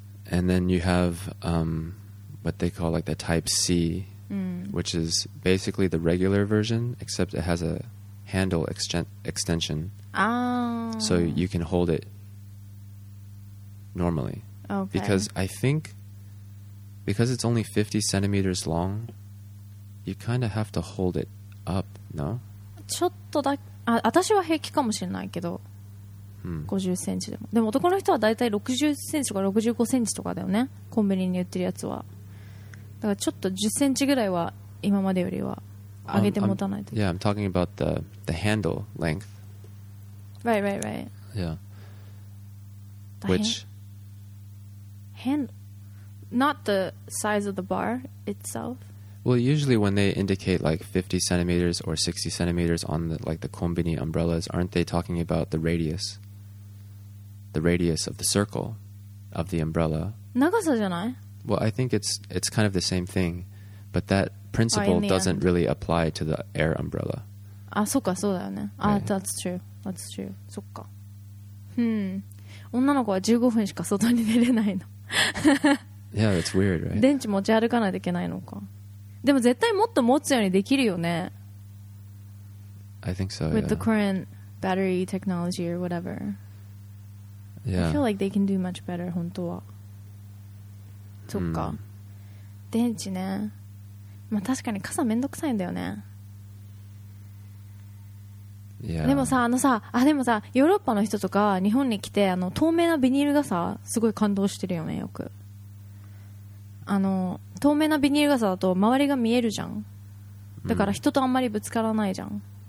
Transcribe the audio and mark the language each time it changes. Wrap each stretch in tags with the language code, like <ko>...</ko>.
<en>And then you have what they call like the Type C, which is basically the regular version, except it has a handle extension. Oh. So you can hold it normally. Okay. Because I think, because it's only 50 centimeters long, you kind of have to hold it up, no?</en> <ja>ちょっとだけ、あ、私は平気かもしれないけど。50センチでも。でも男の人はだいたい60センチとか65センチとかだよね。コンビニに売ってるやつは。だからちょっと10センチぐらいは今までよりは上げて持たないと。</ja> <en>Yeah, I'm talking about the handle length. Right, right, right. Yeah. Which? Hand? Not the size of the bar itself. Well, usually when they indicate like 50 centimeters or 60 centimeters on the, like the konbini umbrellas, aren't they talking about the radius? The radius of the circle of the umbrella.</en> <ja>長さじゃない?</ja> <en>Well, I think it's kind of the same thing, but that principle doesn't really apply to the air umbrella.</en> <ja>Ah, そうか、そうだよね。</ja> <en>Ah, that's true. That's true.</en> <ja>そっか。女の子は15分しか外に出れないの。</ja> <en>Yeah, that's weird, right?</en> <ja>電池持ち歩かないといけないのか。でも絶対もっと持つようにできるよね。</ja> <en>I think so, yeah. With the current battery technology or whatever. Yeah. I feel like they can do much better,</en> <ja>本当は。そっか。電池ね。まあ確かに傘めんどくさいんだよね。</ja> <en>Yeah.</en> <ja>でもさ、あのさ、あ、でもさ、ヨーロッパの人とか日本に来て、あの透明なビニール傘すごい感動してるよね、よく。あの透明なビニール傘だと周りが見えるじゃん、だから人とあんまりぶつからないじゃん、</ja>